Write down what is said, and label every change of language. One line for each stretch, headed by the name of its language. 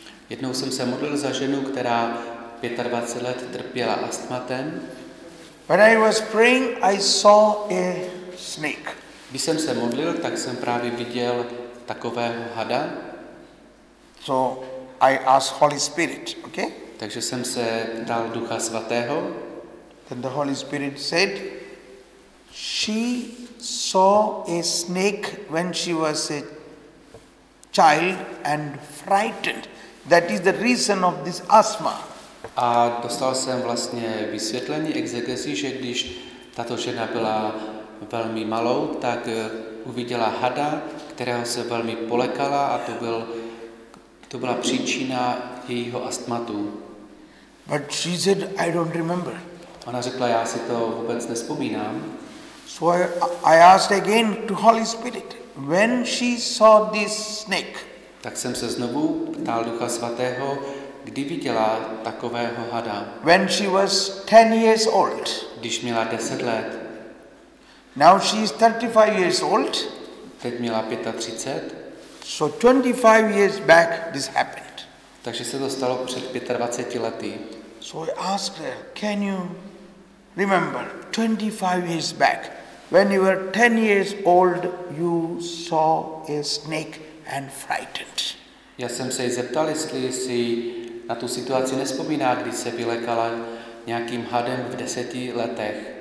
Czech: Jednou jsem se modlil za ženu, která 25 let trpěla astmatem.
English: When I was praying, I saw a snake.
Czech: Když jsem se modlil, tak jsem právě viděl takového hada.
English: So I asked Holy Spirit, okay?
Czech: Takže jsem se dal Ducha Svatého.
English: Then the Holy Spirit said, she saw a snake when she was a child and frightened. That is the reason of this asthma.
Czech: A dostal jsem vlastně vysvětlení exegezi, že když tato žena byla velmi malou, tak uviděla hada, kterého se velmi polekala, a to byla příčina jejího astmatu.
English: But she said, I don't remember.
Czech: Ona řekla, já si to vůbec nespomínám.
English: So I asked again to Holy Spirit, when she saw this snake.
Czech: Tak jsem se znovu ptal Ducha Svatého, kdy viděla takového hada.
English: When she was 10 years old.
Czech: Když měla 10 let.
English: Now she is 35 years old.
Czech: Teď měla 35.
English: So 25 years back this happened.
Czech: Takže se to stalo před 25 lety.
English: So I asked her, can you remember 25 years back when you were 10 years old you saw a snake and frightened.
Czech: Já jsem se jí zeptal, jestli si na tu situaci nespomíná, když se vylekala nějakým hadem v 10 letech.